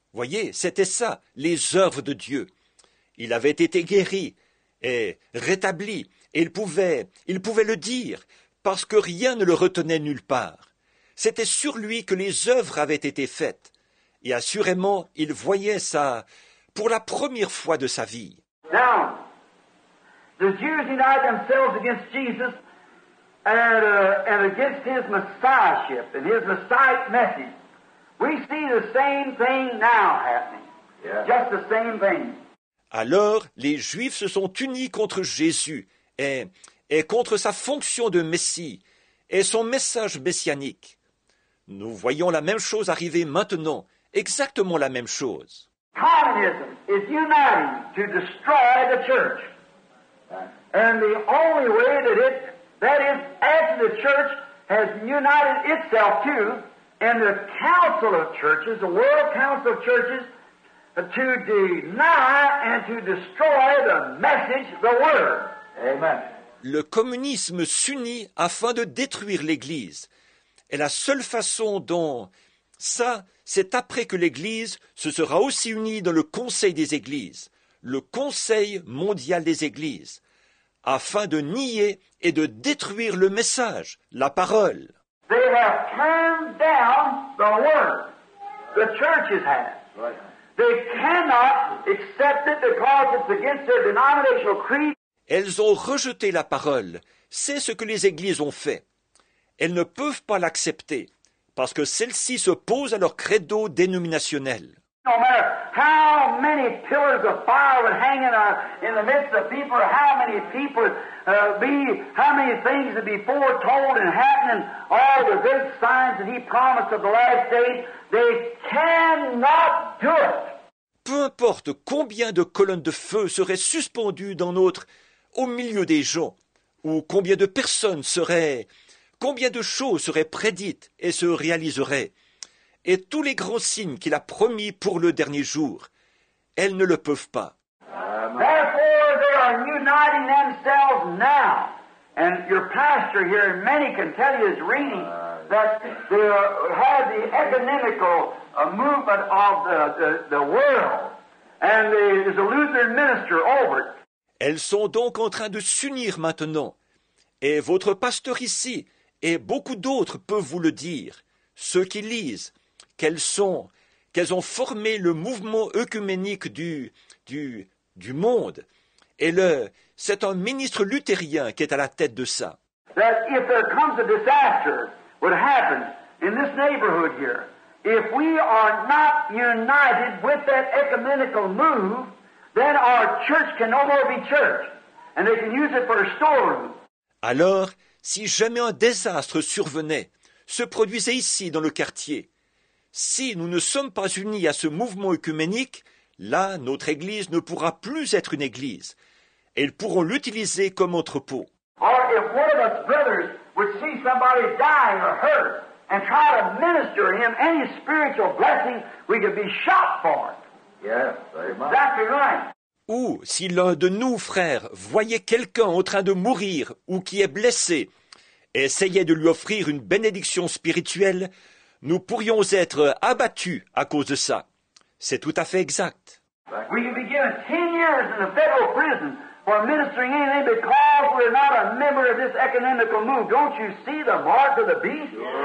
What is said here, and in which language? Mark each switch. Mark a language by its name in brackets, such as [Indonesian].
[French] Vous voyez, c'était ça, les œuvres de Dieu. Il avait été guéri et rétabli, et il pouvait le dire, parce que rien ne le retenait nulle part. C'était sur lui que les œuvres avaient été faites. Et assurément, il voyait ça pour la première fois de sa vie. [English] Now, the Jews united themselves against Jesus. And against his messiahship and his messiah message, we see the same thing now happening. Yeah. Just the same thing. [French] Alors, les Juifs se sont unis contre Jésus et contre sa fonction de Messie et son message messianique. Nous voyons la même chose arriver maintenant, exactement la même chose. [English] Communism is uniting to destroy the church, and the only way that it That is, as the church has united itself too, and the council of churches, the world council of churches, to deny and to destroy the message, the word. Amen. [French] Le communisme s'unit afin de détruire l'Église. Et la seule façon dont ça, c'est après que l'Église se sera aussi unie dans le Conseil des Églises, le Conseil mondial des Églises, afin de nier et de détruire le message, la parole. [English] They have turned down the word. The churches have. Right. They cannot accept it because it's against their denominational creed. [French] Elles ont rejeté la parole. C'est ce que les églises ont fait. Elles ne peuvent pas l'accepter parce que celle-ci s'oppose à leur credo dénominationnel. [English] No matter how many pillars of fire would hang in the midst of people, or how many people be, how many things would be foretold and happening, all the good signs that he promised of the last days, they cannot do it. [French] Peu importe combien de colonnes de feu seraient suspendues dans notre, au milieu des gens, ou combien de personnes seraient, combien de choses seraient prédites et se réaliseraient, et tous les grands signes qu'il a promis pour le dernier jour, elles ne le peuvent pas. [English] Therefore, they are uniting themselves now. And your pastor here in many can tell you is reading that they have the ecumenical movement of the world. And there is a Lutheran minister over it. [French] Elles sont donc en train de s'unir maintenant. Et votre pasteur ici et beaucoup d'autres peuvent vous le dire. Ceux qui lisent, qu'elles ont formé le mouvement œcuménique du monde. Et c'est un ministre luthérien qui est à la tête de ça. [English] That if there comes a disaster, what happens in this neighborhood here, if we are not united with that ecumenical move, then our church can no more be church, and they can use it for a storm. [French] Alors, si jamais un désastre survenait, se produisait ici dans le quartier, si nous ne sommes pas unis à ce mouvement œcuménique, là, notre Église ne pourra plus être une Église. Et ils pourront l'utiliser comme entrepôt. [English] Or if one of us brothers would see somebody dying or hurt and try to minister him any spiritual blessing, we could be shot for it. Yes, that's right. [French] Ou si l'un de nous, frères, voyait quelqu'un en train de mourir ou qui est blessé et essayait de lui offrir une bénédiction spirituelle, nous pourrions être abattus à cause de ça. C'est tout à fait exact. [English] We can be given 10 years in a federal prison for ministering anything because we're not a member of this ecumenical move. Don't you see the mark of the beast?